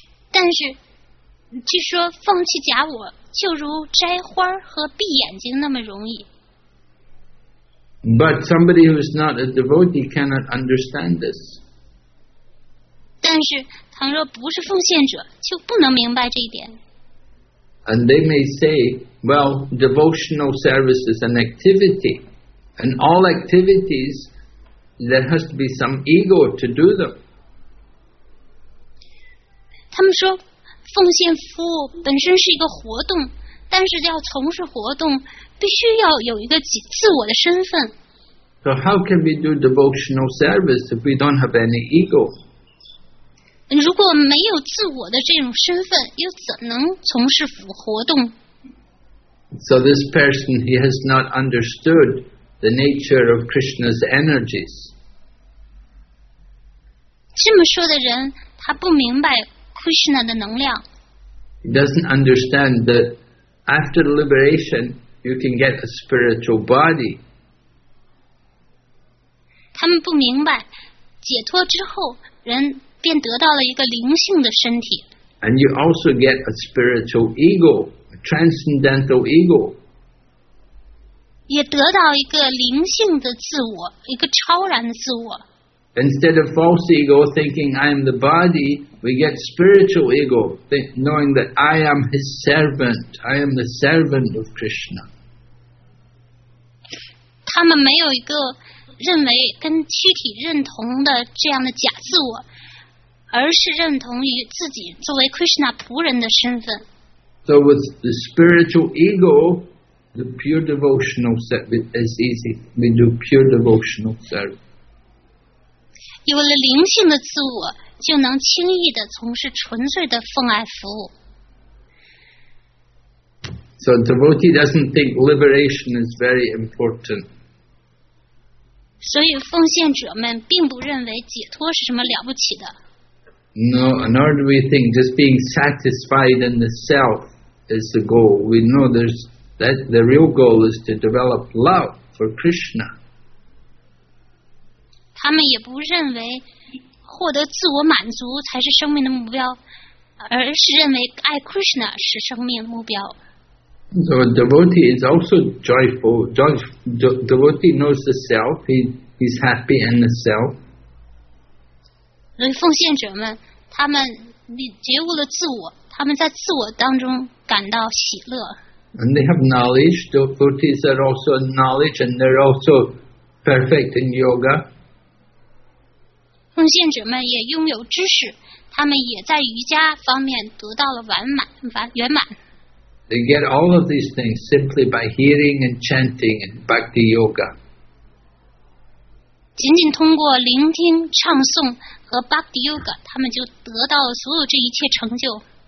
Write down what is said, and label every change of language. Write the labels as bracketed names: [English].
[Chinese] 但是，据说放弃假我就如摘花和闭眼睛那么容易。 [English] But somebody who is not a devotee cannot understand this. [Chinese] 但是倘若不是奉献者就不能明白这一点。 [English] And they may say, well, devotional service is an activity. And all activities, there has to be some ego to do them. [Chinese] 他们说奉献服务本身是一个活动，但是要从事活动必须要有一个自我的身份。 [English] So how can we do devotional service if we don't have any ego? [Chinese] 如果没有自我的这种身份，又怎能从事活动？ [English] So this person, he has not understood the nature of Krishna's energies. [Chinese] 这么说的人，他不明白 Krishna 的能量。 [English] He doesn't understand that after liberation, you can get a spiritual body. [Chinese] 他们不明白，解脱之后，人便得到了一个灵性的身体。 [English] And you also get a spiritual ego, a transcendental ego. [Chinese] 也得到一个灵性的自我，一个超然的自我。 [English] Instead of false ego thinking I am the body, we get spiritual ego, knowing that I am his servant, I am the servant of Krishna. [Chinese] 他们没有一个认为跟躯体认同的这样的假自我。而是认同于自己作为 Krishna 仆人的身份。 [English] So with the spiritual ego, the pure devotional service is easy. We do pure devotional service. [Chinese] 有了灵性的自我，就能轻易地从事纯粹的奉爱服务。 [English] So a devotee doesn't think liberation is very important. [Chinese] 所以奉献者们并不认为解脱是什么了不起的。 [English] No, nor do we think just being satisfied in the self is the goal. We know that the real goal is to develop love for Krishna. [Chinese] 他们也不认为获得自我满足才是生命的目标，而是认为爱 Krishna 是生命的目标。 [English] So a devotee is also joyful. Devotee knows the self. He's happy in the self. [Chinese] 所以奉献者们，他们觉悟了自我，他们在自我当中感到喜乐。 [English] And they have knowledge. Devotees are also knowledge, and they're also perfect in yoga. [Chinese] 奉献者们也拥有知识，他们也在瑜伽方面得到了圆满。 [English] They get all of these things simply by hearing and chanting and bhakti yoga. [Chinese] 仅仅通过聆听、唱诵和 bhakti yoga， 他们就得到了所有这一切成就。